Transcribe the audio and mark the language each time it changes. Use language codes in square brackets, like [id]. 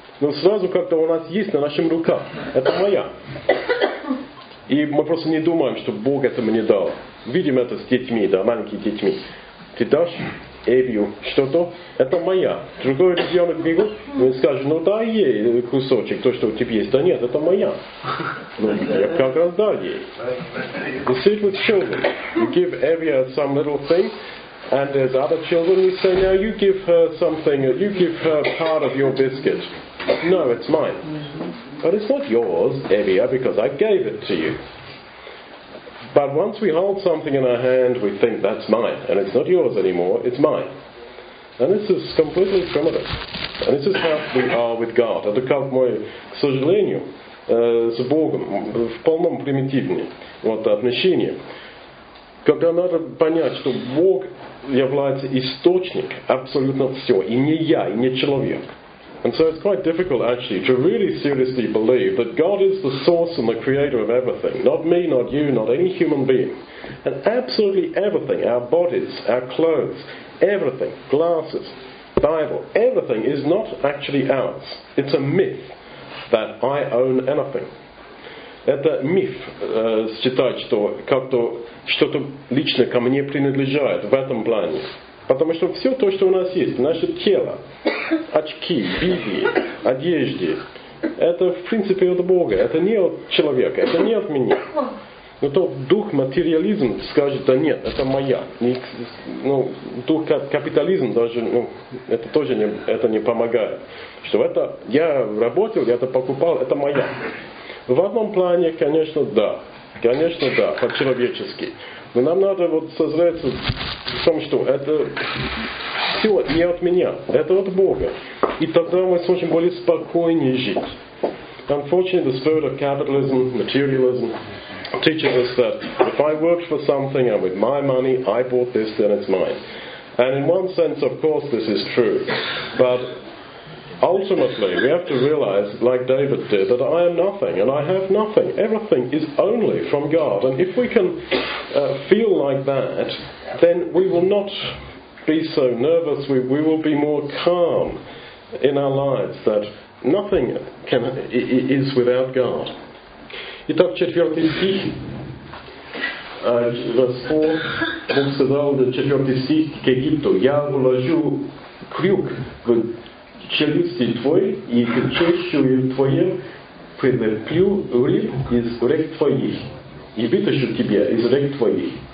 [ru] Но сразу как-то у нас есть на нашем руках. Это моя. И мы просто не думаем, что Бог это мне дал. Видим это с детьми, да, маленькими детьми. Ты дашь? Эбью, что-то, это моя. Другой ребенок бегут и скажет, ну дай ей кусочек, то, что у тебя есть. Да нет, это моя. Ну, я как раз дал ей. [en] You sit with children. You give Abby some little thing, and there's other children, you say, now you give her something, you give her part of your biscuit. No, it's mine. but it's not yours, Evia, because I gave it to you. But once we hold something in our hand, we think that's mine, and it's not yours anymore, it's mine. And this is completely primitive. And this is how we are with God. [ru] Это как мы, к сожалению, с Богом, в полном примитивном вот, отношении. Когда надо понять, что Бог является источником абсолютно всего, и не я, и не человек. [en] And so it's quite difficult actually to really seriously believe that God is the source and the creator of everything. Not me, not you, not any human being. And absolutely everything, our bodies, our clothes, everything, glasses, Bible, everything is not actually ours. It's a myth that I own anything. [ru] Это миф считать, что как-то что-то лично ко мне принадлежит в этом плане. Потому что все то, что у нас есть, наше тело, очки, бибии, одежды, это в принципе от Бога, это не от человека, это не от меня. Но то дух материализм скажет, да нет, это моя. И, ну, дух капитализм даже, ну, это тоже не, это не помогает. Что это, я работал, я это покупал, это моя. В одном плане, конечно, да. Конечно, да, по-человечески. Но нам надо вот созреться в том, что это все не от меня, это от Бога. И тогда мы сможем более спокойнее жить. [en] Unfortunately, the spirit of capitalism, materialism, teaches us that if I worked for something and with my money I bought this, then it's mine. And in one sense, of course, this is true. But ultimately, we have to realize, like David did, that I am nothing and I have nothing. Everything is only from God. And if we can feel like that, then we will not be so nervous. We will be more calm in our lives that nothing can is without God. [ru] Итак, четвертый стих. Бог сказал, четвертый стих к Египту. Я вложу крюк в челюсти твои и к чешую твоим прилеплю рыб из рек твоих и вытащу тебя из рек твоих.